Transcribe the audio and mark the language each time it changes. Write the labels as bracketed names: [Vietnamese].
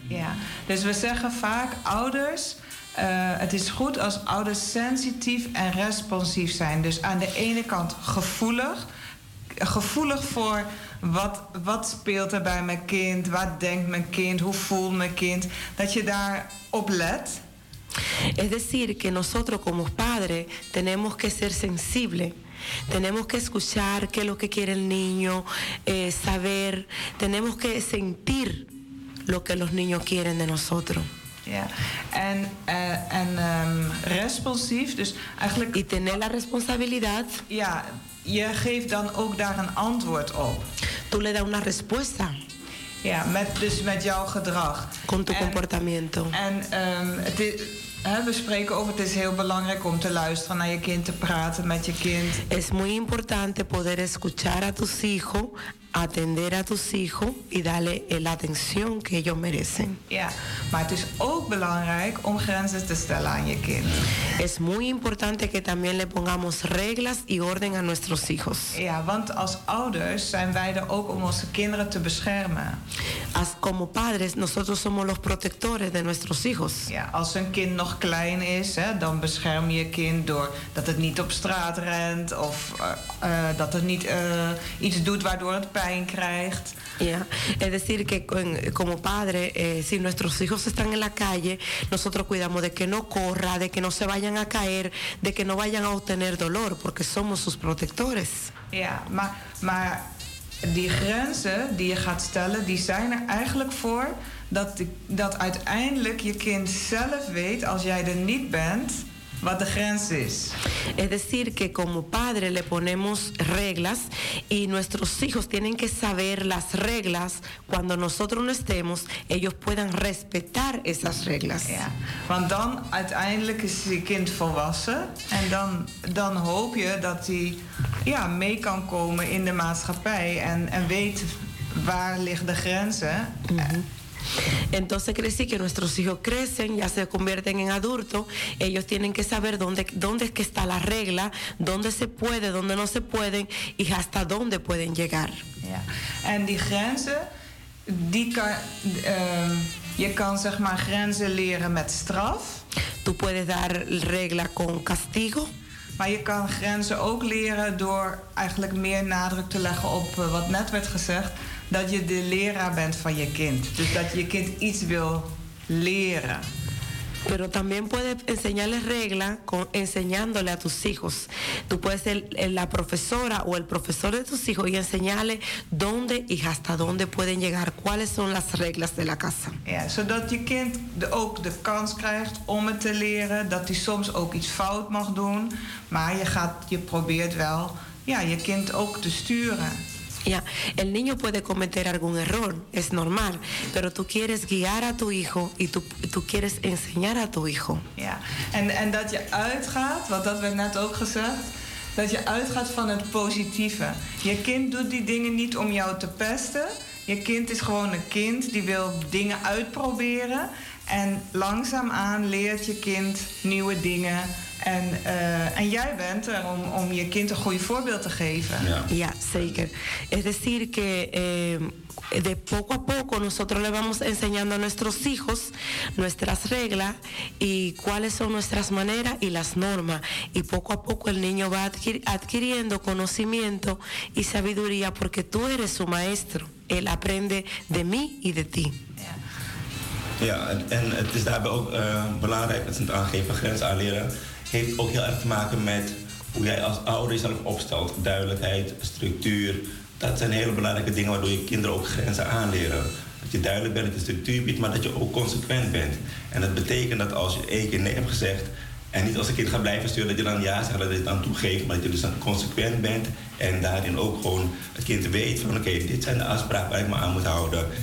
[Dutch] Ja, dus we zeggen vaak ouders... het is goed als ouders sensitief en responsief zijn. Dus aan de ene kant gevoelig voor wat speelt er bij mijn kind, wat denkt mijn kind, hoe voelt mijn kind, dat je daar op let. [Spanish] Es decir que nosotros como padres tenemos que ser sensibles. Tenemos que escuchar qué es lo que quiere el niño, saber. Tenemos que sentir lo que los niños quieren de nosotros. [Dutch] Ja, en responsief, dus eigenlijk... [Spanish] Y tener la responsabilidad. [Dutch] Ja, je geeft dan ook daar een antwoord op. [Spanish] Tú le das una respuesta. [Dutch] Ja, met jouw gedrag. [Spanish] Con tu comportamiento. [Dutch] En we spreken over, het is heel belangrijk om te luisteren naar je kind, te praten met je kind. [Spanish] Es muy importante poder escuchar a tus hijos, atender a tus hijos y darle la atención que ellos merecen. [Dutch] Ja, maar het is ook belangrijk om grenzen te stellen aan je kind. [Spanish] Es muy importante que también le pongamos reglas y orden a nuestros hijos. [Dutch] Ja, want als ouders zijn wij er ook om onze kinderen te beschermen. [Spanish] As como padres, nosotros somos los protectores de nuestros hijos. [Dutch] Ja, als een kind nog klein is, hè, dan bescherm je kind door dat het niet op straat rent of dat het niet iets doet waardoor het pijn pijn krijgt. [Spanish] Ya, es decir que como padre, si nuestros hijos están en la calle, nosotros cuidamos de que no corra, de que no se vayan a caer, de que no vayan a obtener dolor, porque somos sus protectores. [Dutch] Ya, maar die grenzen die je gaat stellen, die zijn er eigenlijk voor dat uiteindelijk je kind zelf weet, als jij er niet bent, wat de grens is. [Spanish] Es decir que como padre le ponemos reglas y nuestros hijos tienen que saber las reglas cuando nosotros no estemos, ellos puedan respetar esas reglas. [Dutch] Ja, want dan uiteindelijk is je kind volwassen en dan hoop je dat hij ja, mee kan komen in de maatschappij en weet waar liggen de grenzen. Mm-hmm. [Spanish] Entonces quiere decir que nuestros hijos crecen, ya se convierten en adultos, ellos tienen que saber dónde es que está la regla, dónde se puede, dónde no se puede y hasta dónde pueden llegar. [Dutch] En die grenzen, die kan, je kan zeg maar grenzen leren met straf. [Spanish] Tú puedes dar regla con castigo. [Dutch] Maar je kan grenzen ook leren door eigenlijk meer nadruk te leggen op wat net werd gezegd. Dat je de leraar bent van je kind. Dus dat je kind iets wil leren. [Spanish] Pero también puedes enseñarles regla con enseñándole a tus hijos. Tú puedes ser la profesora o el profesor de tus hijos y enseñarle dónde y hasta dónde pueden llegar, cuáles son las reglas de la casa. [Dutch] Ja, zodat je kind ook de kans krijgt om het te leren, dat hij soms ook iets fout mag doen, maar je probeert wel ja, je kind ook te sturen. [Spanish] Ya, el niño puede cometer algún error, es normal, pero tú quieres guiar a tu hijo y tú quieres enseñar a tu hijo. [Dutch] Ya, en dat je uitgaat, want dat werd net ook gezegd, dat je uitgaat van het positieve. Je kind doet die dingen niet om jou te pesten. Je kind is gewoon een kind die wil dingen uitproberen. En langzaamaan leert je kind nieuwe dingen. En jij bent er om je kind een goed voorbeeld te geven. Ja, ja zeker. [Spanish] Es decir que de poco a poco nosotros le vamos enseñando a nuestros hijos nuestras reglas y cuáles son nuestras maneras y las normas. Y poco a poco el niño va adquiriendo conocimiento y sabiduría porque tú eres su maestro. Él aprende de mí y de ti. [Dutch] Ja, ja en het is daarbij ook belangrijk dat ze het aangeven, grenzen aanleren. Heeft ook heel erg te maken met hoe jij als ouder jezelf opstelt. Duidelijkheid, structuur. Dat zijn hele belangrijke dingen waardoor je kinderen ook grenzen aanleren. Dat je duidelijk bent, dat je structuur biedt, maar dat je ook consequent bent. En dat betekent dat als je één keer nee hebt gezegd en niet als een kind gaat blijven sturen, dat je dan ja zegt, dat je het dan toegeeft, maar dat je dus dan consequent bent en daarin ook gewoon het kind weet van oké, dit zijn de afspraken waar ik me aan moet houden.